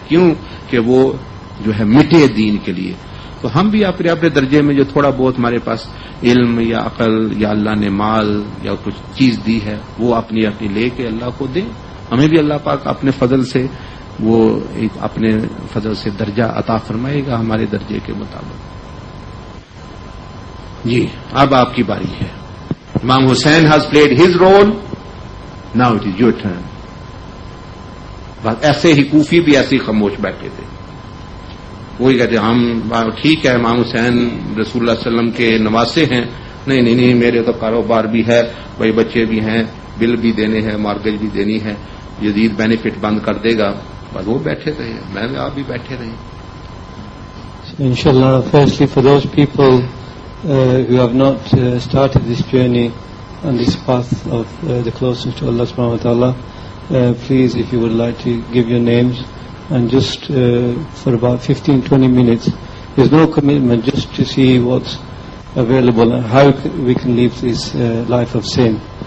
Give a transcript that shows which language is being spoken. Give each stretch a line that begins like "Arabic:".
Urdu: کیوں کہ وہ جو ہے مٹے دین کے لیے. تو ہم بھی اپنے اپنے درجے میں جو تھوڑا بہت ہمارے پاس علم یا عقل یا اللہ نے مال یا کچھ چیز دی ہے وہ اپنی اپنی لے کے اللہ کو دیں. ہمیں بھی اللہ پاک اپنے فضل سے وہ اپنے فضل سے درجہ عطا فرمائے گا ہمارے درجے کے مطابق. جی اب آپ کی باری ہے.
English: Imam Hussain has played his role, now it is your turn.
Urdu: بس ایسے ہی کوفی بھی ایسے ہی خاموش بیٹھے تھے. وہی کہتے ہم ٹھیک ہے امام حسین رسول اللہ صلی اللہ علیہ وسلم کے نواسے ہیں. نہیں نہیں نہیں میرے تو کاروبار بھی ہے, بھائی بچے بھی ہیں, بل بھی دینے ہیں, مارگیج بھی دینی ہے, یزید بینیفٹ بند کر دے گا. بس وہ بیٹھے رہے, میں آپ بھی بیٹھے رہے.
English: ان شاء اللہ firstly for those people who have not started this journey on this path of the closeness to Allah سبحانہ و تعالی, please, if you would like to give your names and just for about 15-20 minutes, there's no commitment, just to see what's available and how we can live this life of sin.